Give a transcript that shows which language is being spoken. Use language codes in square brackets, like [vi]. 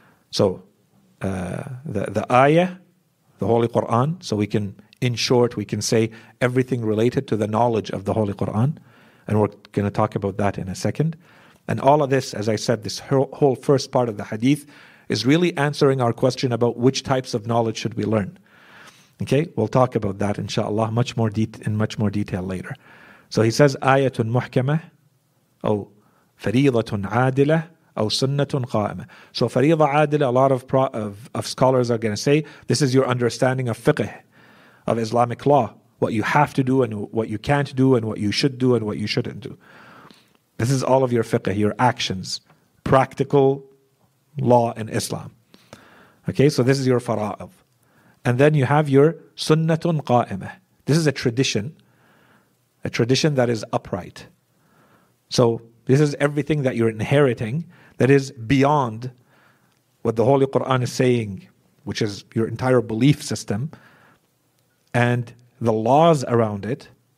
[en] So, the ayah, the Holy Quran, so we can, in short, we can say everything related to the knowledge of the Holy Quran, and we're going to talk about that in a second. And all of this, as I said, this whole first part of the hadith is really answering our question about which types of knowledge should we learn. Okay, we'll talk about that, inshallah, in much more detail later. So he says, [ar] آية محكمة أو فريضة عادلة أو سنة قائمة. [en] So [ar] فريضة عادلة, [en] a lot of scholars are going to say, this is your understanding of fiqh, of Islamic law, what you have to do and what you can't do and what you should do and what you shouldn't do. This is all of your fiqh, your actions, practical law in Islam. Okay, so this is your fara'ad. And then you have your [ar] سنة قائمة. [en] This is a tradition. A tradition that is upright. So this is everything that you're inheriting that is beyond what the Holy Quran is saying, which is your entire belief system and the laws around it.